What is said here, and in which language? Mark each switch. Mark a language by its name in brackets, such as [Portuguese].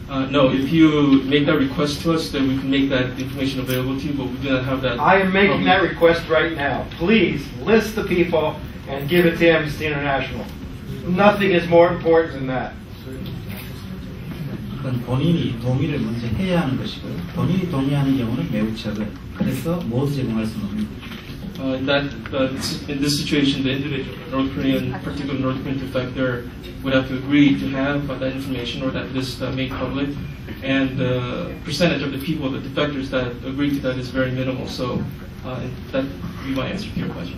[English] No, if you make that request to us, then we can make that information available to you, but we do not have that. I am making that request right now. Please list the people and give it to Amnesty International. Nothing is more important than that. [Korean] 그건 본인이 동의를 먼저 해야 하는 것이고요. 본인이 동의하는 경우는 매우 적어요. 그래서 모두 제공할 수는 없는 거예요. [English] In this situation, the individual North Korean, particular North Korean defector, would have to agree to have that information or that list made public. And the percentage of the people, the defectors that agree to that, is very minimal. So that would be my answer to your question.